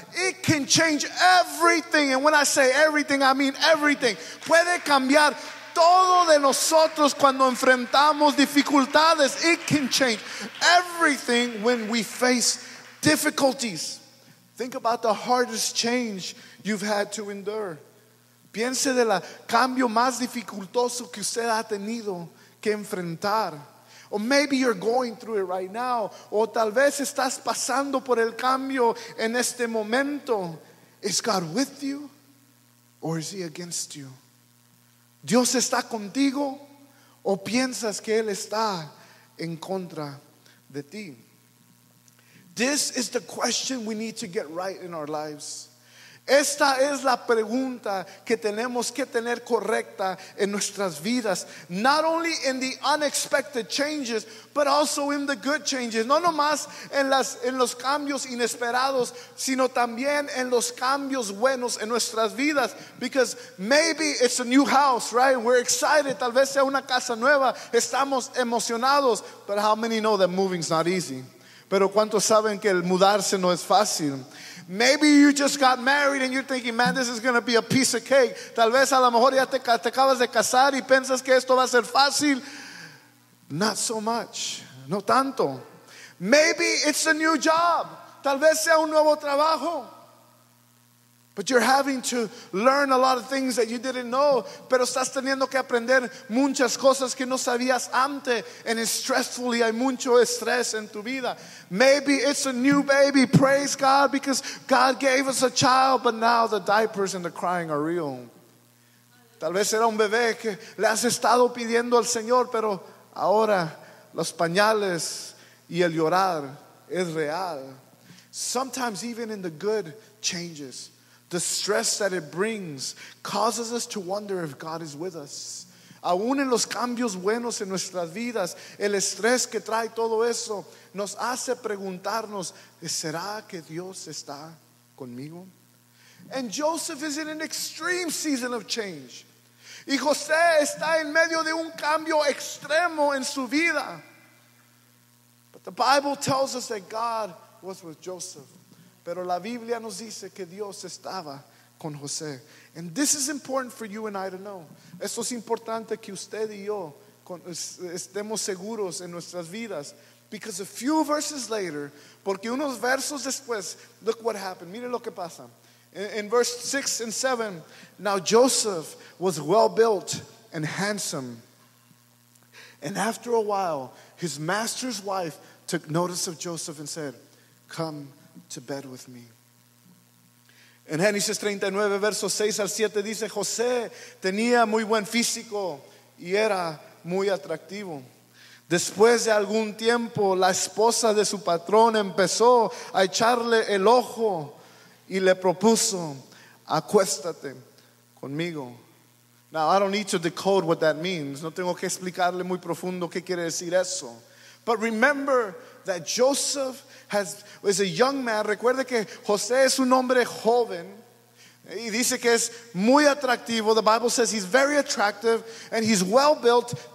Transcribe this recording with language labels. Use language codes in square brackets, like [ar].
[en] it can change everything. And when I say everything, I mean everything. [es] Puede cambiar todo de nosotros cuando enfrentamos dificultades. [en] It can change everything when we face difficulties. Think about the hardest change you've had to endure. [es] Piense del cambio más dificultoso que usted ha tenido que enfrentar. [en] Or maybe you're going through it right now. [es] O tal vez estás pasando por el cambio en este momento. [en] Is God with you or is he against you? [es] ¿Dios está contigo o piensas que él está en contra de ti? [en] This is the question we need to get right in our lives. [es] Esta es la pregunta que tenemos que tener correcta en nuestras vidas. [en] Not only in the unexpected changes, but also in the good changes. [es] No nomás en los cambios inesperados, sino también en los cambios buenos en nuestras vidas. [en] Because maybe it's a new house, right? We're excited. [es] Tal vez sea una casa nueva. Estamos emocionados. [en] But how many know that moving's not easy? [es] Pero ¿cuántos saben que el mudarse no es fácil? [en] Maybe you just got married and you're thinking, man, this is going to be a piece of cake. [es] Tal vez a lo mejor ya te acabas de casar y piensas que esto va a ser fácil. [en] Not so much. [es] No tanto. [en] Maybe it's a new job. [es] Tal vez sea un nuevo trabajo. [en] But you're having to learn a lot of things that you didn't know. [es] Pero estás teniendo que aprender muchas cosas que no sabías antes. [en] And it's stressful. [es] Y hay mucho estrés en tu vida. [en] Maybe it's a new baby. Praise God, because God gave us a child. But now the diapers and the crying are real. [es] Tal vez era un bebé que le has estado pidiendo al Señor. Pero ahora los pañales y el llorar es real. [en] Sometimes even in the good changes, the stress that it brings causes us to wonder if God is with us. [es] Aún en los cambios buenos en nuestras vidas, el estrés que trae todo eso nos hace preguntarnos, ¿será que Dios está conmigo? [en] And Joseph is in an extreme season of change. [es] Y José está en medio de un cambio extremo en su vida. [en] But the Bible tells us that God was with Joseph. [es] Pero la Biblia nos dice que Dios estaba con José. [en] And this is important for you and I to know. [es] Esto es importante que usted y yo estemos seguros en nuestras vidas. [en] Because a few verses later, [es] porque unos versos después, [en] look what happened. [es] Mire lo que pasa. [en] In verse 6 and 7, now Joseph was well built and handsome. And after a while, his master's wife took notice of Joseph and said, come to bed with me. [es] En Génesis 39, versos 6 al 7, dice, José tenía muy buen físico y era muy atractivo. Después de algún tiempo, la esposa de su patrón empezó a echarle el ojo y le propuso, acuéstate conmigo. [en] Now, I don't need to decode what that means. [es] No tengo que explicarle muy profundo qué quiere decir eso. [en] But remember that Joseph has was a young man. [es] Recuerde que José es un hombre joven. Y dice que es muy atractivo. [en] The Bible says he's very attractive and he's well built.